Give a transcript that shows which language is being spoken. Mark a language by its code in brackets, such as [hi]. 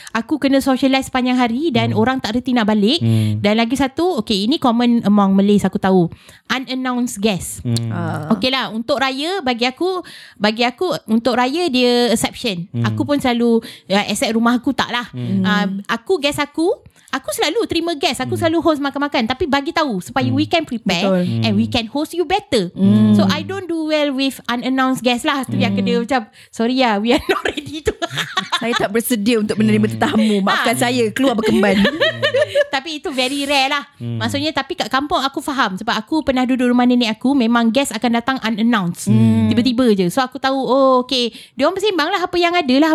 [ms] Aku kena socialize sepanjang hari dan orang tak reti nak balik. Dan lagi satu, okay, ini [en] common among Malays, [ms] aku tahu. [en] Unannounced guest. [ms] Okay lah, untuk raya, bagi aku, untuk raya dia exception. Aku pun selalu, except rumah aku tak lah. Aku, guest aku, aku selalu terima guest. Aku selalu host makan-makan. Tapi bagi tahu supaya [en] we can prepare. [ms] Betul. [en] And we can host you better. So I don't do well with unannounced guest lah. [ms] Tu yang kena macam, [en] sorry lah, we are not ready to. [ms] Saya tak bersedia untuk menerima tetamu. Maafkan saya, keluar berkemban. Tapi itu [en] very rare [ms] lah. Maksudnya, tapi kat kampung aku faham. Sebab aku pernah duduk rumah nenek aku, memang guest akan datang unannounced. Tiba-tiba je. So aku tahu, oh okay, diorang bersimbang lah apa yang ada lah.